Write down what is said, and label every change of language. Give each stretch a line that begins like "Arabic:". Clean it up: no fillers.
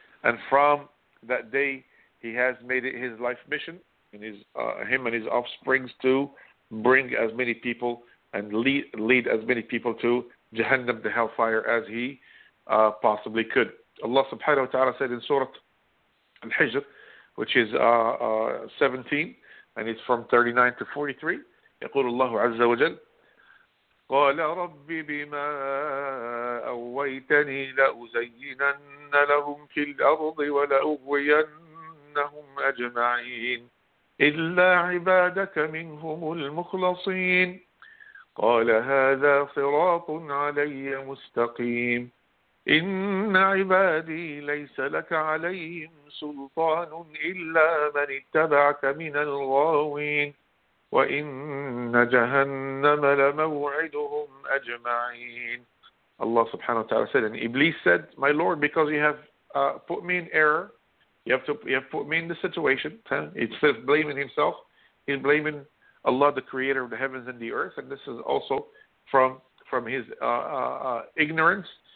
English: And from that day, he has made it his life mission, and him and his offsprings, to bring as many people and lead as many people to Jahannam, the hellfire, as he possibly could. Allah subhanahu wa ta'ala said in Surah Al-Hijr, which is 17, and it's from 39 to 43.
Arabic: يقول الله عز وجل قال ربي بما أويتني لأزينن لهم في الأرض ولأغوينهم أجمعين إلا عبادك منهم المخلصين قال هذا صراط علي مستقيم إن عبادي ليس لك عليهم سلطان إلا من اتبعك من الغاوين وإن جهنم لموعدهم أجمعين.
English: الله سبحانه وتعالى said, and Iblis said, my Lord, because you have put me in error, you have put me in the situation. Instead of blaming himself, he's blaming Allah, the creator of the heavens and the earth. And this is also from his ignorance.